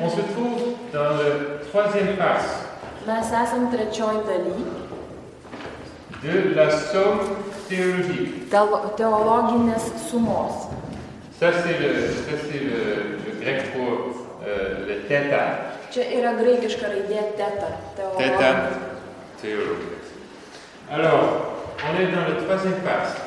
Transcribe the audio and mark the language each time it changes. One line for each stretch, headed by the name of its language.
French: On se trouve dans le troisième parce.
Lithuanian: Mes esam trečioj daly.
French: De la somme théologique.
Lithuanian: Teologinės sumos.
French: Ça c'est le grec pour le theta.
Lithuanian: Čia yra graikiška raidė theta, teologinė. Theta, théologinė.
French: Alors, on est dans le troisième parce.